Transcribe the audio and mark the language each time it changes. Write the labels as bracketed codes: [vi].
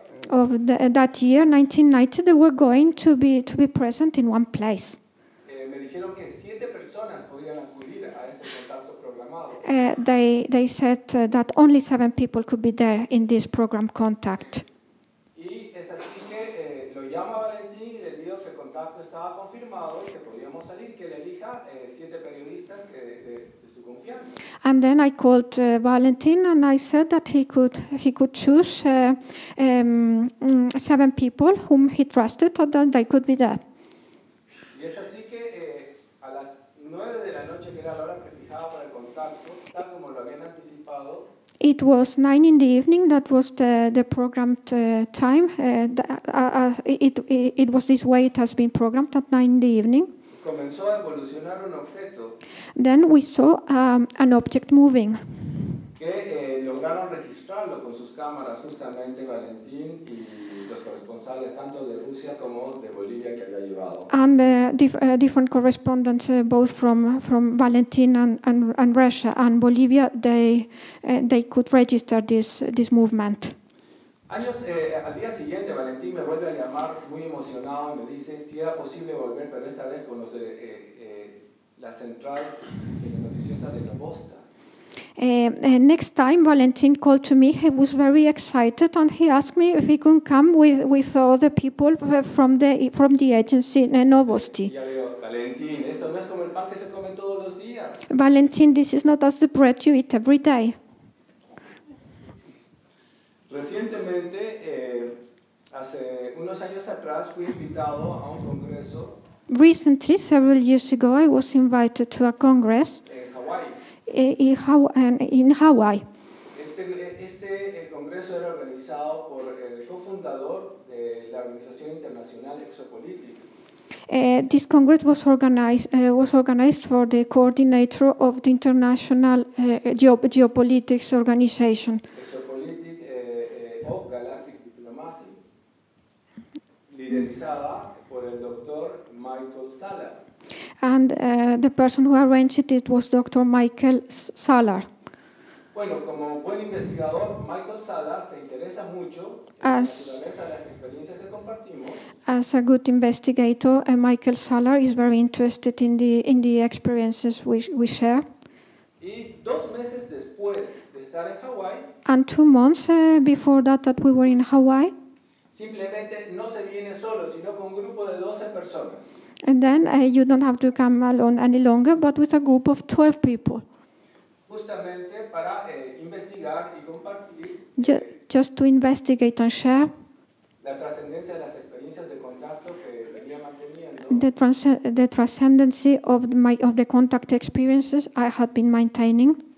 [en] Of that year, 1990, they were going to be present in one place. [es] Me dijeron que siete personas podían acudir a este contacto programado. [en] They said that only seven people could be there in this program contact. [es] Y es así que lo llama Valentín y le digo que el contacto estaba confirmado y que podíamos salir, que le elija siete periodistas que de su confianza. [en] And then I called Valentin and I said that he could choose seven people whom he trusted and that they could be there. [es] Y es así que a las 9 de la noche, que era la hora prefijada para el contacto, tal como lo habían anticipado. [en] It was 9 in the evening, that was the programmed time. It was this way it has been programmed at 9 in the evening. [es] Comenzó a evolucionar un objeto. [en] Then we saw an object moving. [es] Que lograron registrarlo con sus cámaras justamente Valentín y los corresponsales tanto de Rusia como de Bolivia que había llevado. [en] And different correspondents, both from Valentín and Russia and Bolivia, they could register this movement. [es] Al día siguiente, Valentín me vuelve a llamar muy emocionado y me dice si era posible volver, pero esta vez con los la central noticiosa de la posta. [en] Next time, Valentín called to me. He was very excited and he asked me if he could come with all the people from the agency Novosti. [es] Valentín, esto no es como el pan que se come todos los días. [en] Valentín, this is not as the bread you eat every day. [es] Recientemente, hace unos años atrás, fui invitado a un congreso. [en] Recently, several years ago, I was invited to a congress in Hawaii. [es] Este congreso era organizado por el cofundador de la organización internacional Exopolitik. [en] This congress was organized for the coordinator of the international geopolitics organization. [es] Exopolitik of Galactic Diplomacy, liderizada por el doctor Michael Salar. [en] And the person who arranged it was Dr. Michael Salar. [es] Bueno, como buen investigador, Michael Salar se interesa mucho en las experiencias que compartimos. [en] As a good investigator, Michael Salar is very interested in the experiences we share. [es] Y dos meses después de estar en Hawaii. [en] And 2 months before that we were in Hawaii. [es] Simplemente no se viene solo, sino con un grupo de 12 personas. [en] And then you don't have to come alone any longer, but with a group of 12 people. [es] Justamente para investigar y compartir. [en] Just to investigate and share. [es] La trascendencia de las experiencias de contacto que venía manteniendo. [en] The transcendency of my of the contact experiences I had been maintaining.